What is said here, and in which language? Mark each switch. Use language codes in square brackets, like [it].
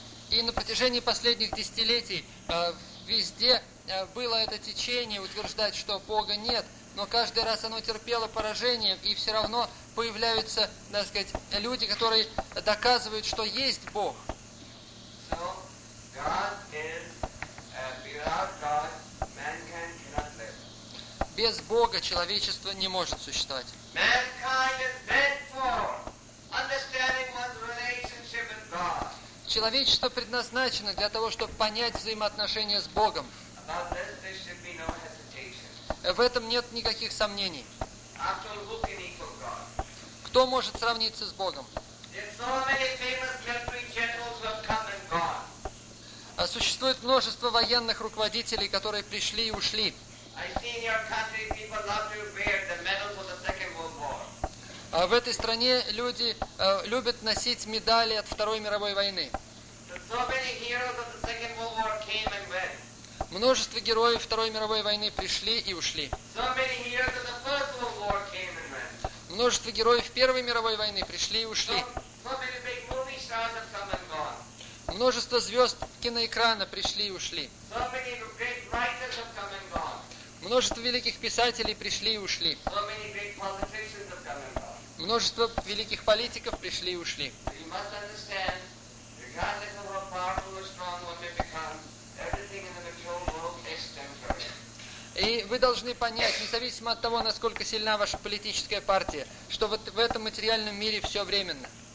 [ru] И на протяжении последних десятилетий везде было это течение утверждать, что Бога нет, но каждый раз оно терпело поражение, и все равно появляются, так сказать, люди, которые доказывают, что есть Бог. [en] So, God is, without God, man can cannot live. [ru] Без Бога человечество не может существовать. [en] Mankind is meant for understanding one's relationship with God. [ru] Человечество предназначено для того, чтобы понять взаимоотношения с Богом. [en] About this, there should be no hesitation. [ru] В этом нет никаких сомнений. [en] After who can equal God? [ru] Кто может сравниться с Богом? [en] So many famous military generals have come and gone. [ru] Существует множество военных руководителей, которые пришли и ушли. [en] I see in your country people love to wear the medals of the Second World War. [ru] В этой стране люди любят носить медали от Второй мировой войны. [en] So many heroes of the Second World War came and went. [ru] Множество героев Второй мировой войны пришли и ушли. [en] So many heroes of the First World War came and went. [ru] Множество героев Первой мировой войны пришли и ушли. [en] So many big movie stars have come and gone. [ru] Множество звезд киноэкрана пришли и ушли. [en] So many great writers have come and gone. [ru] Множество великих писателей пришли и ушли. [en] So many great politicians have come and gone. [ru] Множество великих политиков пришли и ушли. [en] You must understand, regardless of how powerful or strong one may become, everything in the material world is temporary. [ru] И вы должны понять, независимо от того, насколько сильна ваша политическая партия, что вот в этом материальном мире все временно.